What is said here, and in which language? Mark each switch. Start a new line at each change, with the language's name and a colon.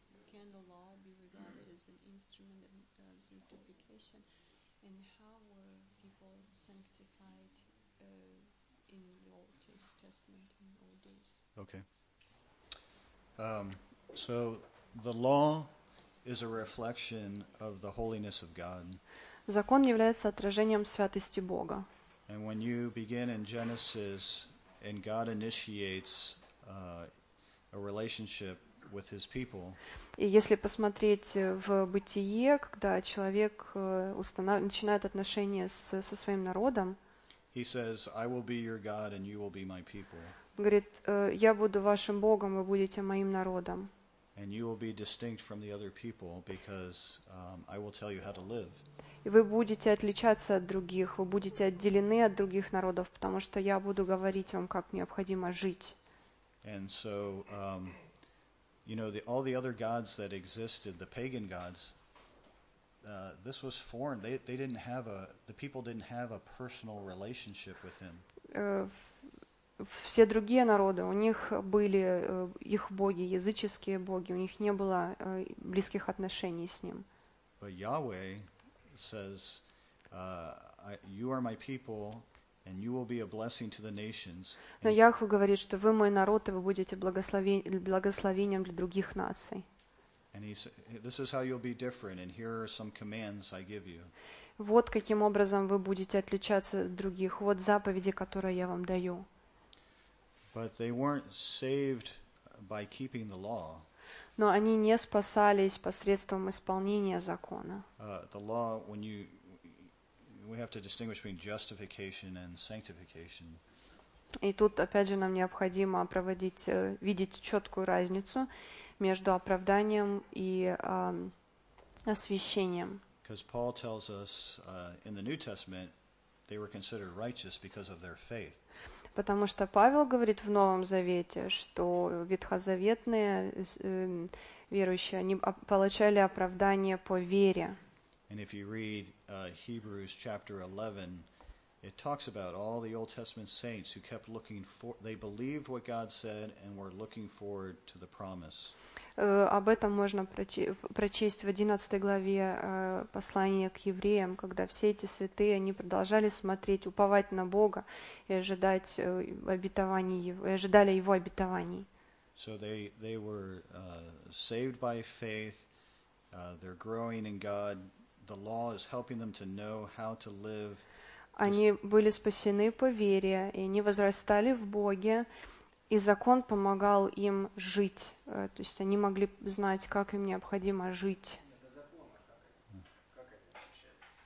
English: Can the law be regarded as an instrument of sanctification? And how were people sanctified in the Old Testament in the old days? Okay. So the law is a reflection of the holiness of God.
Russian: Закон является отражением святости Бога.
English: And when you begin in Genesis and God initiates a relationship with his people.
Russian: И если посмотреть в Бытие, когда человек начинает отношения со своим народом,
English: he says, "I will be your God and you will be my people."
Russian: Говорит: я буду вашим Богом, вы будете моим народом.
English: And you will be distinct from the other people because I will tell you how to live.
Russian: И вы будете отличаться от других, вы будете отделены от других народов, потому что я буду говорить вам, как необходимо жить.
English: And so you know, all the other gods that existed, the pagan gods, this was foreign. They didn't have the people didn't have a personal relationship with him.
Russian: Все другие народы, у них были их боги, языческие боги, у них не было близких отношений с ним.
English: But Yahweh says, "You are my people, And you will be a blessing to the nations.
Russian: Но Яхве говорит, что вы мой народ, и вы будете благословением для других наций.
English: And he said, this is how you'll be different, and here are some commands I give you.
Russian: Вот каким образом вы будете отличаться от других. Вот заповеди, которые я вам даю.
English: But they weren't saved by keeping the law.
Russian: Но они не спасались посредством исполнения закона.
English: The law, when you, we have to distinguish between justification and sanctification.
Russian: И тут, опять же, нам необходимо видеть четкую разницу между оправданием и освящением.
English: Because Paul tells us in the New Testament they were considered righteous because of their faith.
Russian: Потому что Павел говорит в Новом Завете, что ветхозаветные верующие они получали оправдание по вере.
English: And if you read Hebrews chapter 11, it talks about all the Old Testament saints who kept looking for, they believed what God said and were looking forward to the promise.
Russian: Об этом можно прочесть в 11 главе послания к евреям, когда все эти святые, они продолжали смотреть, уповать на Бога и ожидали Его обетований.
English: So they were saved by faith, they're growing in God, the law is helping them to know how to live.
Russian: Они были спасены по вере, и они возрастали в Боге, и закон помогал им жить. То есть они могли знать, как им необходимо жить. До закона, как они общались?